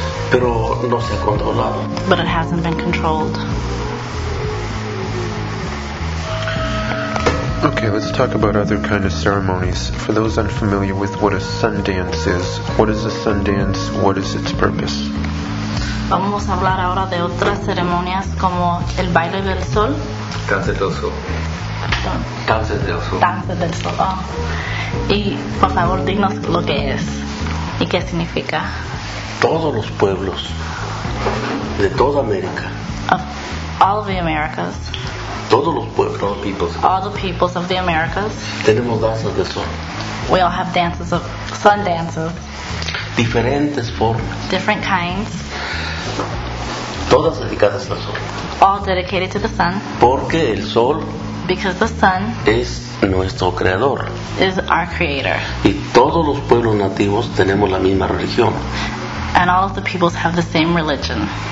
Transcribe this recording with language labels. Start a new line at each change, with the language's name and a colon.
Spanish: Pero no se ha controlado.
English: But it hasn't been controlled. Okay, let's talk about other kind of ceremonies. For those unfamiliar with what a Sundance is, what is a Sundance? What is its purpose?
Spanish: Vamos a hablar ahora de otras ceremonias como el baile del sol. Danza del sol. Perdón. Danza del sol. Danza del sol. Oh. Y por favor, dinos lo que es y qué significa. Todos los pueblos de toda América.
English: Of all of the Americas.
Spanish: Todos los pueblos,
English: all the peoples. All the peoples of the Americas.
Spanish: Tenemos danzas del sol.
English: We all have dances of sun dances.
Spanish: Diferentes formas.
English: Different kinds.
Spanish: Todas dedicadas al sol.
English: All dedicated to the sun.
Spanish: Porque el sol.
English: Because the sun.
Spanish: Es nuestro creador.
English: Is our creator.
Spanish: Y todos los pueblos nativos tenemos la misma religión.
English: And all of the peoples have the same religion.